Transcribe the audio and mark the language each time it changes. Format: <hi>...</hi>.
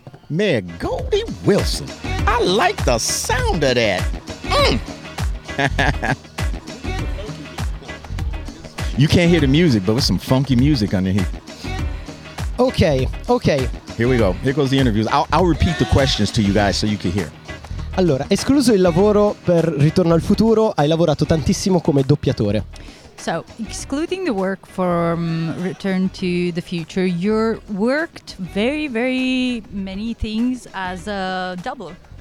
<en>Mayor Goldie Wilson. I like the sound of that. You can't hear the music, but with some funky music under here. Okay. Here we go. Here goes the interviews. I'll repeat the questions to you guys so you can hear.</en> <it>Allora, escluso il lavoro per Ritorno al Futuro, hai lavorato tantissimo come doppiatore.</it> <en>So, excluding the work for Return to the Future, you worked very, very many things as a dubber.</en>